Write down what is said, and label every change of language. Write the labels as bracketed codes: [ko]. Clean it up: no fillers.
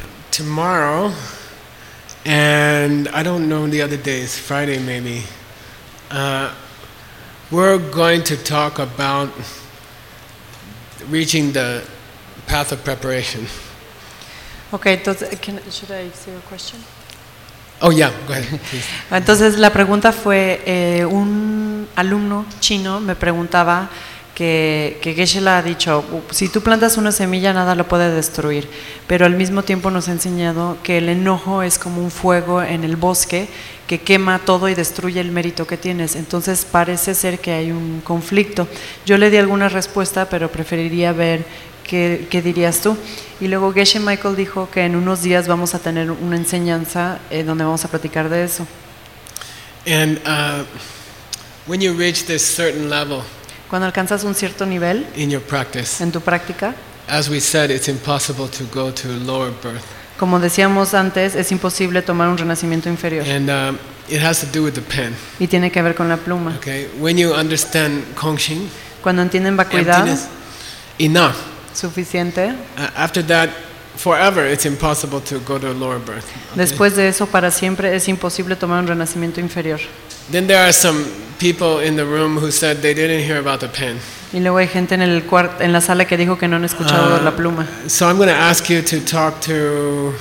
[en] Tomorrow, and I don't know the other days, Friday maybe, we're going to talk about reaching the path of preparation. Okay, should I say a question? Oh, yeah, go ahead, please. [es] Entonces, la pregunta fue un alumno chino me preguntaba que Geshe-la ha dicho, si tú plantas una semilla nada lo puede destruir, pero al mismo tiempo nos ha enseñado que el enojo es como un fuego en el bosque que quema todo y destruye el mérito que tienes, entonces parece ser que hay un conflicto. Yo le di alguna respuesta, pero preferiría ver qué dirías tú. Y luego Geshe Michael dijo que en unos días vamos a tener una enseñanza donde vamos a platicar de eso. [en] When you reach this certain level, [es] cuando alcanzas un cierto nivel, [en] in your practice, [es] en tu práctica, [en] as we said, it's impossible to go to lower birth. [es] Como decíamos antes, es imposible tomar un renacimiento inferior. [en] And it has to do with the pen. [es] Y tiene que ver con la pluma. [en] Okay. When you understand Kongxing, [es] cuando entienden vacuidad, [en] enough, [es] suficiente. [en] After that. Forever, it's impossible to go to a lower birth. Okay. [es] Después de eso, para siempre es imposible tomar un renacimiento inferior. [en] Then there are some people in the room who said they didn't hear about the pen. [es] Y luego hay gente en el cuarto, en la sala que dijo que no han escuchado la pluma. [en] So I'm going to ask you to talk to.